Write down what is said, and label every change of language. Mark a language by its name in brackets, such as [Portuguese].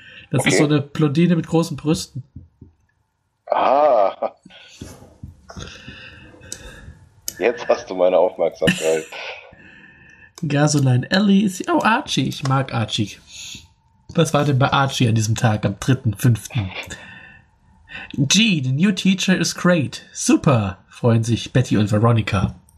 [German] Das okay. Ist so eine Blondine mit großen Brüsten. Ah. Jetzt hast du meine Aufmerksamkeit. Gasoline Ellie ist... Oh, Archie. Ich mag Archie. Was war denn bei Archie an diesem Tag, am 3.5.? [English] Gee, the new teacher is great. [German] Super, freuen sich Betty und Veronica.